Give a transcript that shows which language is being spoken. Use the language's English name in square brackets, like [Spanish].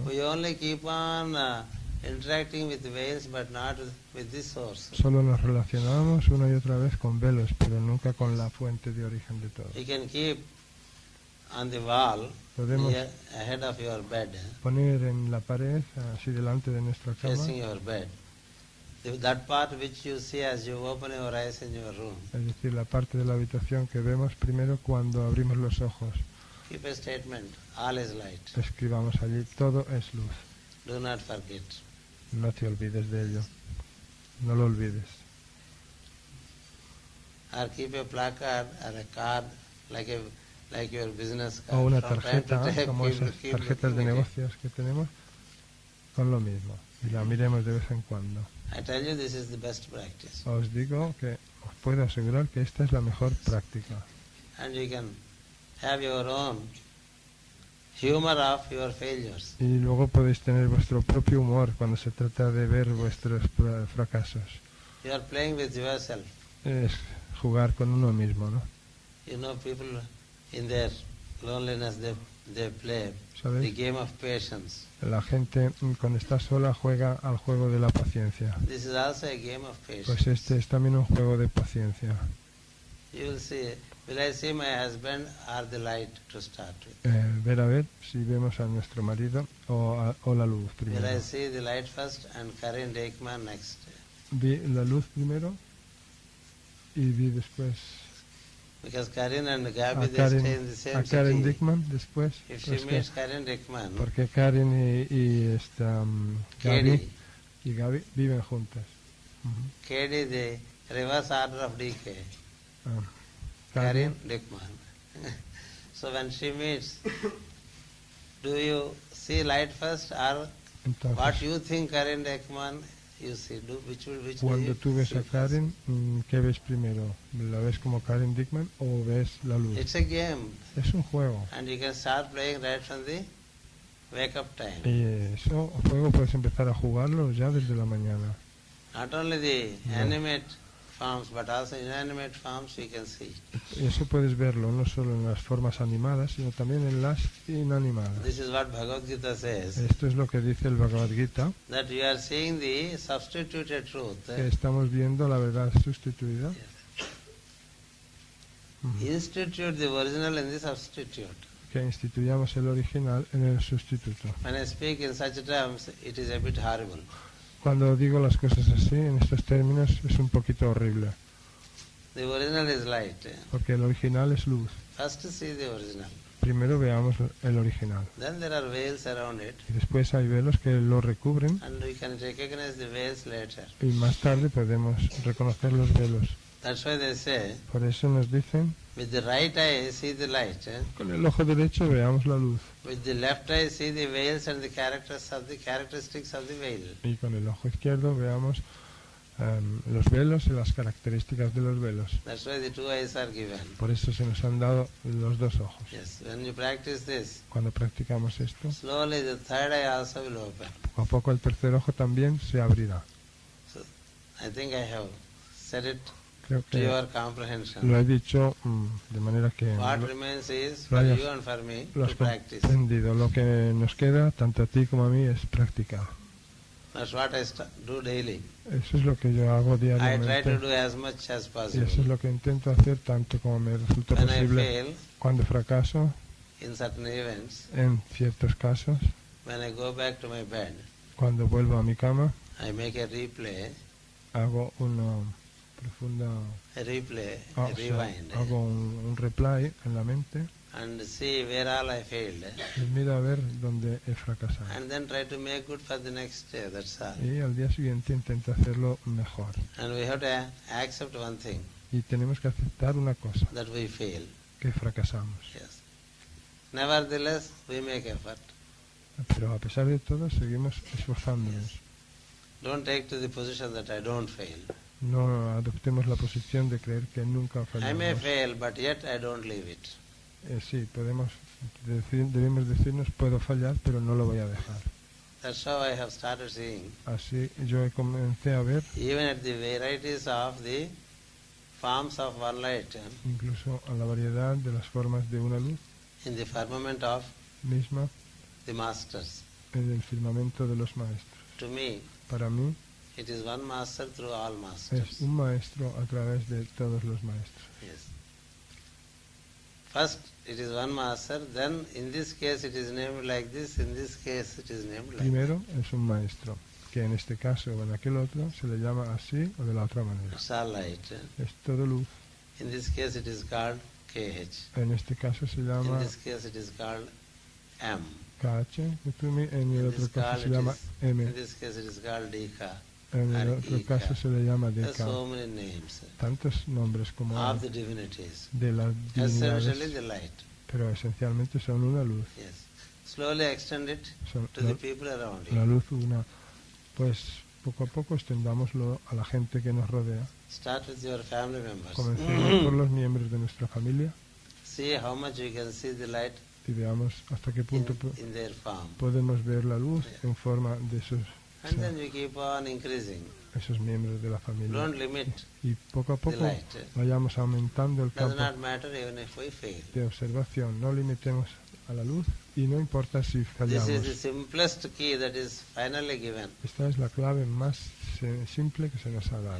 [English] we only keep on interacting with veils, but not with this source. [Spanish] Solo nos relacionamos una y otra vez con velos, pero nunca con la fuente de origen de todo. [English] You can keep on the wall. [Spanish] Podemos [English] ahead of your bed. [Spanish] Poner en la pared así delante de nuestra cama. [English] Facing your bed. That part which you see as you open your eyes in your room. [Spanish] Es decir, la parte de la habitación que vemos primero cuando abrimos los ojos. [English] Keep a statement, all is light. [Spanish] Escribamos allí, todo es luz. [English] Do not forget. [Spanish] No te olvides de ello. No lo olvides. [English] Or keep a placard or a card like your business card. [Spanish] O una tarjeta, como esas tarjetas de negocios que tenemos, con lo mismo. Y la miremos de vez en cuando. [English] I tell you this is the best practice. [Spanish] Os digo que os puedo asegurar que esta es la mejor práctica. [English] And you can have your own humor of your failures. [Spanish] Y luego podéis tener vuestro propio humor cuando se trata de ver vuestros fracasos. [English] You are playing with yourself. [Spanish] Es jugar con uno mismo, ¿no? [English] You know, people in their loneliness, they play ¿sabes? The game of patience. [Spanish] La gente cuando está sola juega al juego de la paciencia. [English] This is also a game of patience. [Spanish] Pues este es también un juego de paciencia. [English] You will see, will I see my husband or the light to start with? [Spanish] Ver a ver si vemos a nuestro marido o la luz primero. [English] Will I see the light first and Karen Dekman next? [Spanish] Vi la luz primero y vi después. [English] Because Karen and Gabby, they stay in the same city. [Spanish] A Karen Dickman, después. [English] If she meets Karen Dickman. [Spanish] Porque Karen y esta, Gabby, y Gabby viven juntas. [English] Katie, the reverse order of DK. Karen Dickman. So when she meets, do you see light first or [Spanish] entonces, [English] what you think Karen Dickman? You see, which [Spanish] cuando tú ves a Karen, ¿qué ves primero? ¿La ves como Karen Dickman o ves la luz? [English] It's a game. [Spanish] Es un juego. [English] And you can start playing right from the wake up time. [Spanish] Y eso, juego puedes empezar a jugarlo ya desde la mañana. [English] Not only the animate forms, but also inanimate forms you can see. [Spanish] Y eso puedes verlo, no solo en las formas animadas, sino también en las inanimadas. [English] This is what Bhagavad Gita says. [Spanish] Esto es lo que dice el Bhagavad Gita. [English] That you are seeing the substituted truth. [Spanish] Que estamos viendo la verdad sustituida. Yes. [English] Institute the original in the substitute. [Spanish] Que instituyamos el original en el sustituto. [English] When I speak in such terms, it is a bit horrible. [Spanish] Cuando digo las cosas así, en estos términos, es un poquito horrible. [English] The original is light. [Spanish] Porque el original es luz. [English] First see the original. [Spanish] Primero veamos el original. [English] Then there are veils around it. [Spanish] Y después hay velos que lo recubren. [English] And we can recognize the veils later. [Spanish] Y más tarde podemos reconocer los velos. [English] That's why they say, [Spanish] por eso nos dicen, [English] with the right eye see the light. [Spanish] Con el ojo derecho veamos la luz. [English] With the left eye see the veils and the characteristics of the veil. [Spanish] Y con el ojo izquierdo veamos los velos y las características de los velos. [English] That's why the two eyes are given. [Spanish] Por eso se nos han dado los dos ojos. [English] Yes, when you practice this, [Spanish] cuando practicamos esto, [English] slowly the third eye also will open. [Spanish] Poco a poco el tercer ojo también se abrirá. [English] So, I think I have said it. [Spanish] Creo que [English] to your comprehension. [Spanish] Lo he dicho de manera que [English] what remains is for you and for me to practice. [Spanish] Entendido. Lo que nos queda tanto a ti como a mí es practicar. [English] That's what I do daily. [Spanish] Eso es lo que yo hago diariamente. [English] I try to do as much as possible. [Spanish] Y eso es lo que intento hacer tanto como me resulta posible. [English] When I fail, [Spanish] cuando fracaso [English] in certain events, [Spanish] en ciertos casos, [English] when I go back to my bed, [Spanish] cuando vuelvo a mi cama, [English] I make a replay, [Spanish] hago una profunda [English] rewind, [Spanish] hago un replay en la mente [English] and see where all I failed, [Spanish] y miro a ver dónde he fracasado [English] and then try to make good for the next day, that's all. [Spanish] Y al día siguiente intento hacerlo mejor [English] and we have to accept one thing, [Spanish] y tenemos que aceptar una cosa [English] that we fail, [Spanish] que fracasamos. [English] Yes. Nevertheless, we make effort. [Spanish] Pero a pesar de todo seguimos esforzándonos. Yes. [English] Don't take to the position that I don't fail. [Spanish] No adoptemos la posición de creer que nunca fallamos. [English] I may fail, but yet I don't leave it. [Spanish] Sí, podemos debemos decirnos puedo fallar, pero no lo voy a dejar. [English] That's how I have started seeing. [Spanish] Así yo comencé a ver. [English] Even at the varieties of the forms of one light. [Spanish] Incluso a la variedad de las formas de una luz. [English] In the firmament of [Spanish] misma. [English] The masters. [Spanish] En el firmamento de los maestros. [English] To me. [Spanish] Para mí. [English] It is one master through all masters. [Spanish] Es un maestro a través de todos los maestros. [English] Yes. First, it is one master. Then, in this case, it is named like this. In this case, it is named like [Spanish] primero, [English] this. [Spanish] Primero, es un maestro. Que en este caso o en aquel otro, se le llama así o de la otra manera. [English] It's all light. [Spanish] Es todo luz. [English] In this case, it is called KH. [Spanish] En este caso, se llama [English] in this case, it is called M. [Spanish] KH. En el in otro caso, call, se llama [English] is, [Spanish] M. [English] In this case, it is called DK. [Spanish] En el otro caso se le llama Deka. [English] So many names, [Spanish] tantos nombres como [English] of the divinities, [Spanish] de las divinidades, [English] essentially the light. [Spanish] Pero esencialmente son una luz. [English] Yes. Slowly extend it son to the people around you. [Spanish] La luz una. Pues poco a poco extendámoslo a la gente que nos rodea. [English] Start with your family members. [Spanish] Comencemos por los miembros de nuestra familia. [English] See how much you can see the light. [Spanish] Y veamos hasta qué punto [English] in their form. [Spanish] Podemos ver la luz, yeah, en forma de sus [English] And then you keep on increasing. [Spanish] Esos miembros de la familia. [English] Don't limit. [Spanish] Y poco a poco vayamos aumentando el campo. [English] Does not matter even if we fail. [Spanish] De observación. No limitemos a la luz y no importa si fallamos. [English] This is the simplest key that is finally given. [Spanish] Esta es la clave más simple que se nos ha dado.